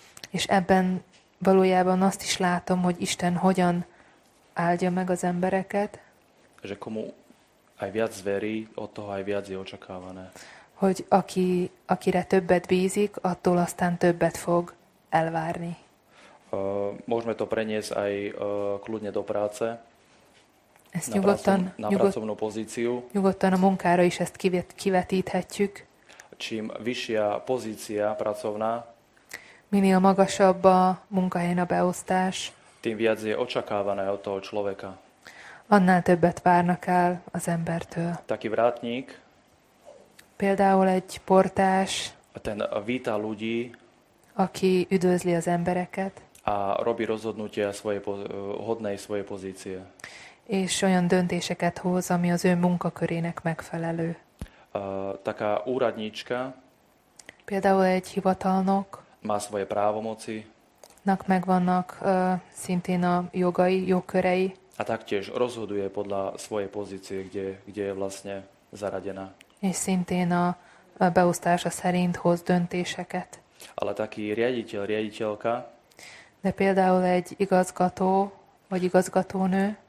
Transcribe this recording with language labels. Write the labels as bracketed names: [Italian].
[Hungarian] És ebben valójában azt is látom, hogy Isten hogyan áldja meg az embereket. [Slovak] Že komu aj viac zverí, od toho aj viac je očakávané. [Hungarian] Hogy akire többet bízik, attól aztán többet fog elvárni. [Slovak] Môžeme to preniesť aj kľudne do práce. [Hungarian] Ezt nyugodtan, nyugodtan a munkára is ezt kivetíthetjük. [Slovak] Čím vyššia pozícia pracovná, [Hungarian] minél magasabb a munkahelyen a beosztás, [Slovak] tým viac je očakávané od toho človeka. [Hungarian] Annál többet várnak el az embertől. [Slovak] Taký vrátnik, [Hungarian] például egy portás, [Slovak] ten víta ľudí, [Hungarian] aki üdvözli az embereket, [Slovak] a robí rozhodnutia hodnej svojej pozície. [Hungarian] És olyan döntéseket hoz, ami az ő munkakörének megfelelő. [Slovak] Taká úradnička. [Hungarian] Például egy hivatalnok. [Slovak] Má svoje právomoci. [Hungarian] Nak megvannak szintén a jogai, jogkörei. [Slovak] A taktiež rozhoduje podľa svojej pozície, kde je vlastne zaradená. [Hungarian] És szintén a beosztása szerint hoz döntéseket. [Slovak] Ale taký riaditeľ, riaditeľka. [Hungarian] De például egy igazgató, vagy igazgatónő.